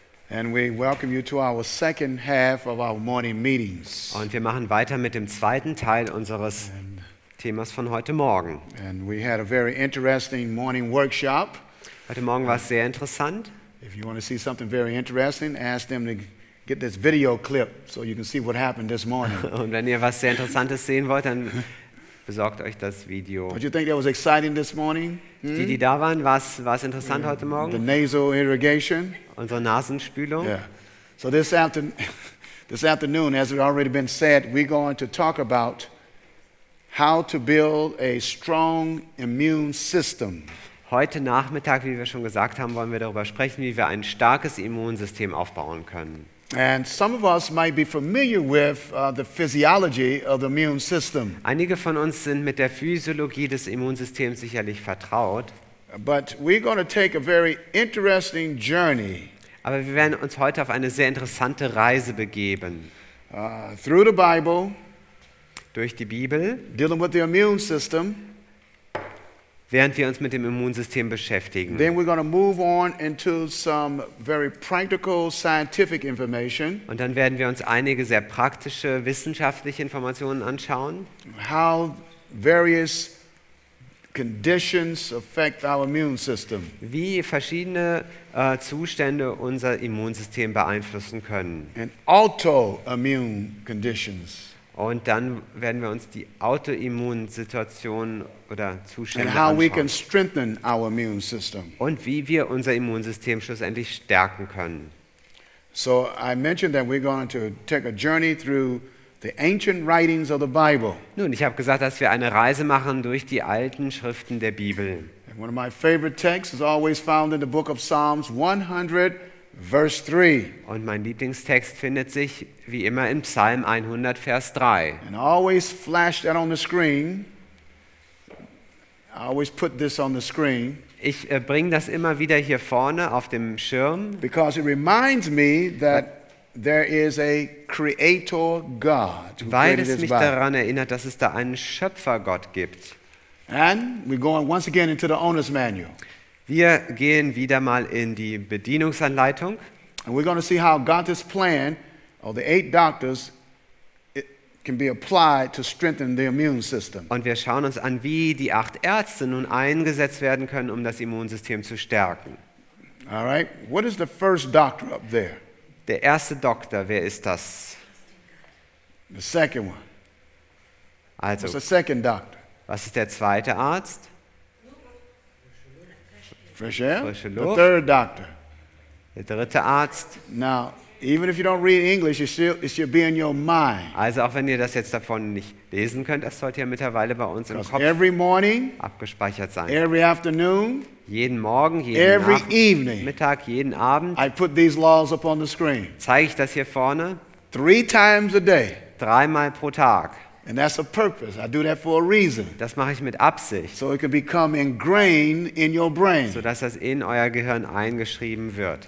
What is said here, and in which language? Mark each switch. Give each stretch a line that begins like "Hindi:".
English: And we welcome you to our second half of our morning meetings.
German: Und wir machen weiter mit dem zweiten Teil unseres Themas von heute Morgen.
English: And we had a very interesting morning workshop.
German: Heute Morgen war es sehr interessant.
English: If you want to see something very interesting, ask them to get this video clip so you can see what happened this morning.
German: Und wenn ihr was sehr Interessantes sehen wollt, dann besorgt euch das Video.
English: Did you think that was exciting this morning?
German: Die, die da waren, war es interessant heute Morgen?
English: The nasal irrigation.
German: Unsere Nasenspülung.
English: Yeah. So this afternoon, as it already been said, we're going to talk about how to build a strong immune system.
German: Heute Nachmittag, wie wir schon gesagt haben, wollen wir darüber sprechen, wie wir ein starkes Immunsystem aufbauen können.
English: And some of us might be familiar with the physiology of the immune system.
German: Einige von uns sind mit der Physiologie des Immunsystems sicherlich vertraut.
English: But we're going to take a very interesting journey.
German: Aber wir werden uns heute auf eine sehr interessante Reise begeben.
English: Through the Bible.
German: Durch die Bibel.
English: Dealing with the immune system.
German: Während wir uns mit dem Immunsystem beschäftigen.
English: Then we're going to move on into some very practical scientific information.
German: Und dann werden wir uns einige sehr praktische wissenschaftliche Informationen anschauen.
English: How various conditions affect our immune system.
German: Wie verschiedene Zustände unser Immunsystem beeinflussen können.
English: And autoimmune conditions.
German: Und dann werden wir uns die Autoimmunsituation oder Zustände
English: and how
German: anschauen.
English: We can strengthen our immune system.
German: Und wie wir unser Immunsystem schlussendlich stärken können.
English: So I mentioned that we're going to take a journey through the ancient writings of the Bible.
German: Nun, ich habe gesagt, dass wir eine Reise machen durch die alten Schriften der Bibel.
English: And one of my favorite texts is always found in the book of Psalms 100. Verse 3.
German: Und mein Lieblingstext findet sich wie immer in Psalm 100, Vers 3.
English: And I always flash that on the screen. I always put this on the screen.
German: Ich bringe das immer wieder hier vorne auf dem Schirm.
English: Because it reminds me that there is a creator God.
German: Weil es mich daran erinnert, dass es da einen Schöpfergott gibt.
English: And we're going once again into the owner's manual.
German: Wir gehen wieder mal in die Bedienungsanleitung.
English: And we're going to see how God's plan of the eight doctors can be applied to strengthen the immune system.
German: Und wir schauen uns an, wie die acht Ärzte nun eingesetzt werden können, um das Immunsystem zu stärken.
English: All right. What is the first doctor up there?
German: Der erste Doktor, wer ist das?
English: The second one.
German: Also,
English: what's the second doctor?
German: Was ist der zweite Arzt?
English: Fresh air. The third doctor.
German: Der dritte Arzt.
English: Now, even if you don't read English, it should be in your mind.
German: Also auch wenn ihr das jetzt davon nicht lesen könnt, das sollte ja mittlerweile bei uns im Kopf
English: every morning,
German: abgespeichert sein.
English: Every afternoon.
German: Jeden Morgen, jeden
English: every evening,
German: Mittag, jeden Abend.
English: I put these laws up on the screen.
German: Zeige ich das hier vorne.
English: Three times a day.
German: Dreimal pro Tag.
English: And that's a purpose. I do that for a reason.
German: Das mache ich mit Absicht.
English: So it can become ingrained in your brain.
German: So dass das in euer Gehirn eingeschrieben wird.